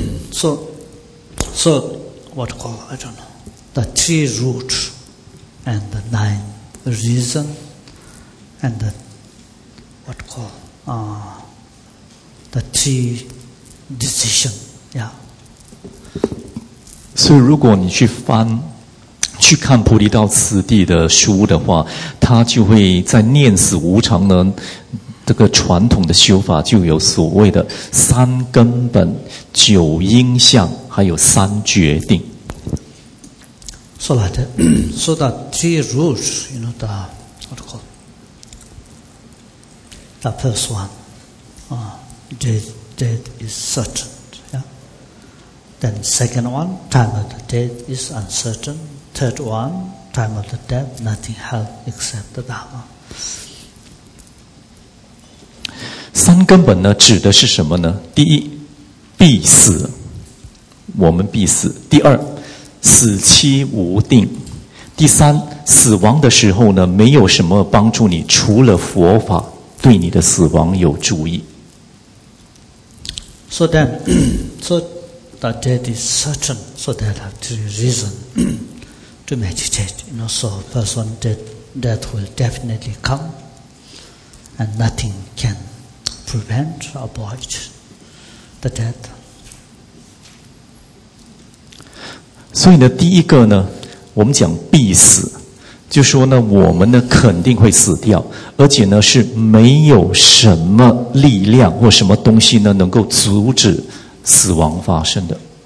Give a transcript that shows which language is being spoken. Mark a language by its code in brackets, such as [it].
[en] So what call I don't know the three roots and the nine. The reason and the what call the three decision, yeah. [zh] 所以，如果你去翻去看菩提道次第的书的话，他就会在念死无常呢。这个传统的修法就有所谓的三根本、九因相，还有三决定。 [en] So like that, so the three roots, you know, the, what do you call it? The first one, death is certain, yeah. Then second one, time of the death is uncertain. Third one, time of the death, nothing held except the Dharma. [zh] 三根本呢指的是什么呢？第一，必死，我们必死。第二，死期无定，第三，死亡的时候呢，没有什么帮助你，除了佛法对你的死亡有注意。 [en] So then, so the death is certain, so there are three reasons to meditate. You know, so first one, death will definitely come, and nothing can prevent or avoid the death. [zh] 所以呢，第一个呢，我们讲必死，就说呢，我们呢肯定会死掉，而且呢是没有什么力量或什么东西呢能够阻止死亡发生的。